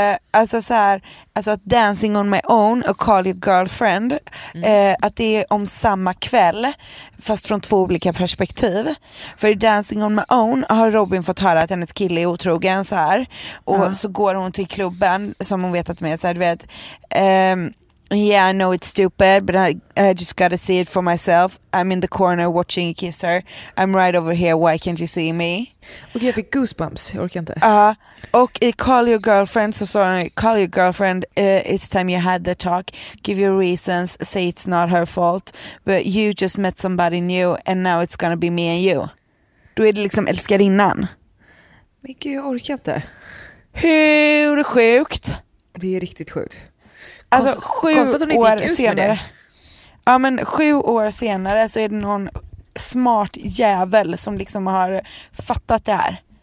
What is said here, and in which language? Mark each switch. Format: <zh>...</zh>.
<sv>Alltså så här, alltså att Dancing on my own och Call your girlfriend, att det är om samma kväll fast från två olika perspektiv. För i Dancing on my own har Robin fått höra att hennes kille är otrogen så här, och så går hon till klubben som hon vet att med så här, du vet,</sv> <en>Yeah, I know it's stupid, but I just gotta see it for myself. I'm in the corner watching you kiss her. I'm right over here. Why can't you see me?</en> <sv>Okay, jag fick goosebumps. Jag orkar inte.</sv> <en>Och call your girlfriend. So sorry, call your girlfriend. It's time you had the talk. Give your reasons. Say it's not her fault. But you just met somebody new and now it's gonna be me and you.</en> <sv>Du är liksom älskarinnan. Men gud, jag orkar inte. Hur sjukt? Det är riktigt sjukt. Alltså sju år senare. Ja, men 7 år senare så är det någon smart jävel som liksom har fattat det här.</sv>